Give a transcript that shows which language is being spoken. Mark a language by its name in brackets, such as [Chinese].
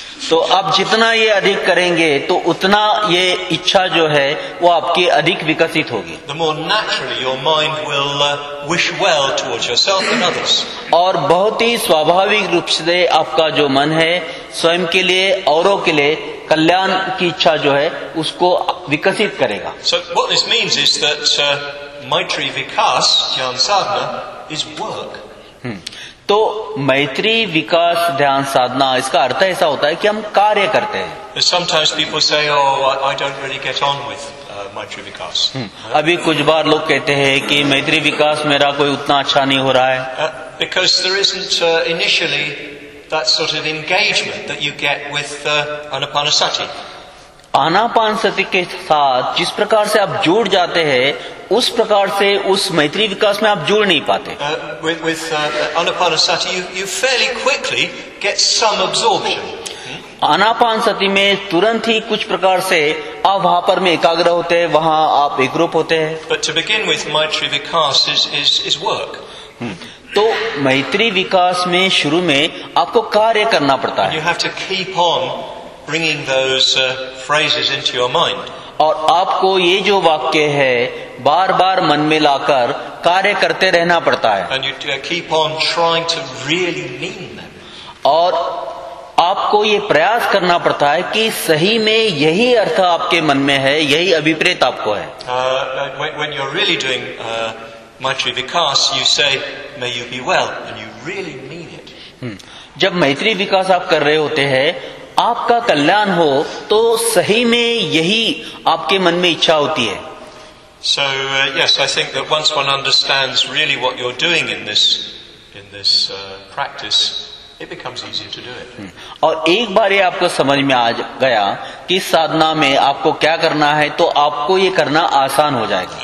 [Hindi] तो आप जितना ये अधिक करेंगे तो उतना ये इच्छा जो है वो आपकी अधिक विकसित होगी। [English] The more naturally your mind will wish well towards yourself and others. [Hindi] और बहुत ही स्वाभाविक रूप से आपका जो मन है स्वयं के लिए औरों के लिए कल्याण की इच्छा जो है उसको विकसित करेगा। [English] So what this means is that maitri vikas jnan sadhana is work. [Hindi] तो मैत्री विकास ध्यान साधना इसका अर्थ ऐसा होता है कि हम कार्य करते हैं। [English] Sometimes people say, oh, I don't really get on with maitri vikas. [Hindi] अभी कुछ बार लोग कहते हैं कि मैत्री विकास मेरा कोई उतना अच्छा नहीं हो रहा है। [English] Because there isn't initially that sort of engagement that you get with anapanasati. [Hindi] आनापान सति के साथ जिस प्रकार से आप जुड़ जाते हैं उस प्रकार से उस मैत्री विकास में आप जुड़ नहीं पाते। [English] With anapana sati you fairly quickly get some absorption. [Hindi] आनापान सति में तुरंत ही कुछ प्रकार से आप वहां पर में एकाग्र होते हैं, वहां आप एकरूप होते हैं। [English] But to begin with, maitri vikas is work. [Hindi] तो मैत्री विकास में शुरू में आपको कार्य करना पड़ता है। [English] You have to keep on bringing those phrases into your mind. [Hindi] और आपको ये जो वाक्य है बार बार मन में लाकर कार्य करते रहना पड़ता है। [English] And you keep on trying to really mean them. [Hindi] और आपको ये प्रयास करना पड़ता है कि सही में यही अर्थ आपके मन में है, यही अभिप्रेत आपको है। [English] When you're really doing maitri vikas, you say, may you be well, and you really mean it. [Hindi] जब मैत्री विकास आप कर रहे होते हैं आपका कल्याण हो तो सही में यही आपके मन में इच्छा होती है। [English] So yes, I think that once one understands really what you're doing in this practice, it becomes easier to do it. [Hindi] और एक बार ये आपको समझ में आ गया कि साधना में आपको क्या करना है तो आपको ये करना आसान हो जाएगा।